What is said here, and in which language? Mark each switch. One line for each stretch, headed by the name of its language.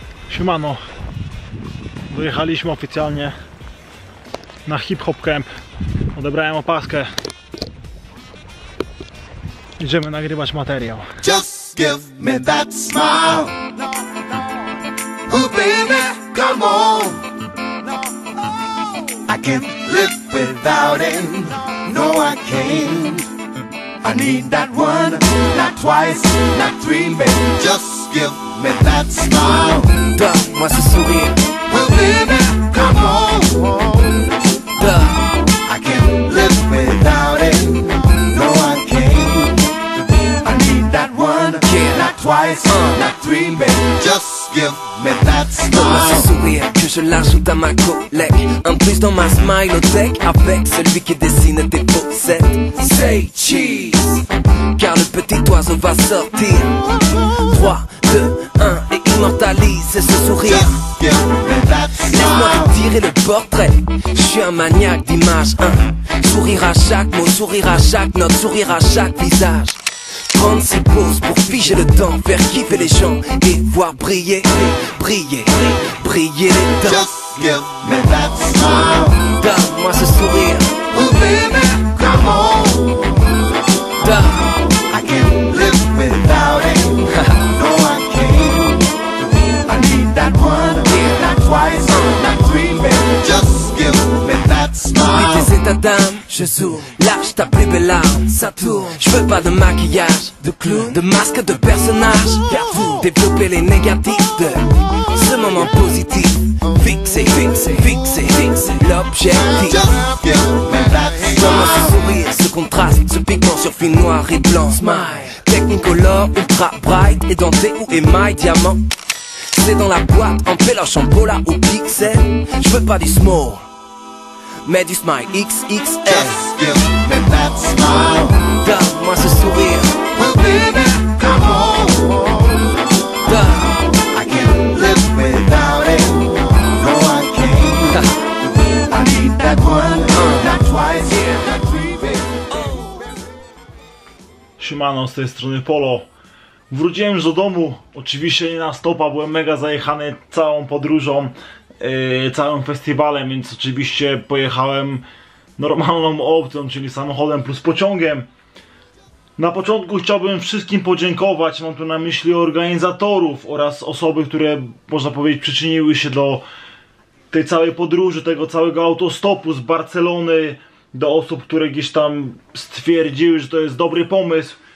Polish: Siemano, wyjechaliśmy oficjalnie na Hip Hop Camp, odebrałem opaskę, idziemy nagrywać materiał.
English: Just give me that smile, oh baby, come on, I can't live without it, no I can't, I need that one, not twice, not three, baby, just give me that smile. Masi suhi. Well baby, come on. I can't live without it. No I can't. I need that one, yeah. Not twice, not three, baby. Just give me that smile.
French: Je l'ajoute à ma collecte. Un plus dans ma smile au deck. Avec celui qui dessine tes pochettes.
English: Say cheese.
French: Car le petit oiseau va sortir. 3, 2, 1 et immortalise ce sourire. Laisse-moi tirer le portrait. J'suis un maniaque d'image, hein. Sourire à chaque mot, sourire à chaque note, sourire à chaque visage. Prendre ses pauses pour figer le temps, faire kiffer les gens et voir briller, briller, briller les dents.
English: Just give me that smile.
French: Donne-moi ce sourire.
English: Oh baby, come on. Donne. I can't live without it. No I can't. I need that one, yeah. Not twice, not three, baby. Just give me that smile.
French: Mais c'est ta dame. Je zoome, lâche ta plus belle arme. Ça tourne, je veux pas de maquillage, de clown, de masque, de personnage. Garde-vous, développez les négatifs de ce moment positif. Fixez, fixez, fixez, fixez l'objectif. Comme ce sourire, ce contraste, ce pigment sur fil noir et blanc. Smile, technicolor, ultra bright, édenté ou émail, diamant. C'est dans la boîte, en péloche, en bola ou pixel. Je veux pas du small. Mais du smile XXL.
English: Just give me that smile.
French: Donne-moi ce sourire.
English: Well baby, come on. Done. I can't live without it. No I can't. I need that one. Not twice, not three, baby.
Polish: Siemano, z tej strony Polo. Wróciłem już do domu. Oczywiście nie na stopa, byłem mega zajechany całą podróżą, całym festiwalem, więc oczywiście pojechałem normalną opcją, czyli samochodem plus pociągiem. Na początku chciałbym wszystkim podziękować, mam tu na myśli organizatorów oraz osoby, które, można powiedzieć, przyczyniły się do tej całej podróży, tego całego autostopu z Barcelony, do osób, które gdzieś tam stwierdziły, że to jest dobry pomysł.